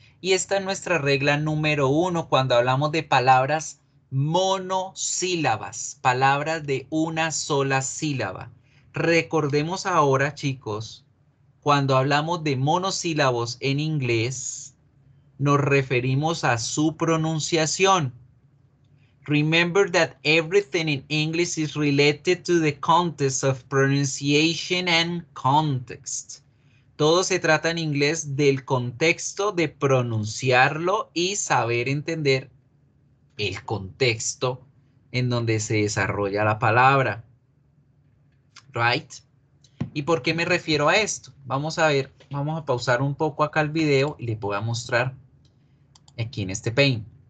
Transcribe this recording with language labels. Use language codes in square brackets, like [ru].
[es] Y esta es nuestra regla número uno cuando hablamos de palabras monosílabas, palabras de una sola sílaba. Recordemos ahora, chicos, cuando hablamos de monosílabos en inglés, nos referimos a su pronunciación. [en] Remember that everything in English is related to the context of pronunciation and context. [es] Todo se trata en inglés del contexto de pronunciarlo y saber entender el contexto en donde se desarrolla la palabra. [en] Right? [es] ¿Y por qué me refiero a esto? Vamos a ver, vamos a pausar un poco acá el video y les voy a mostrar aquí en este paint.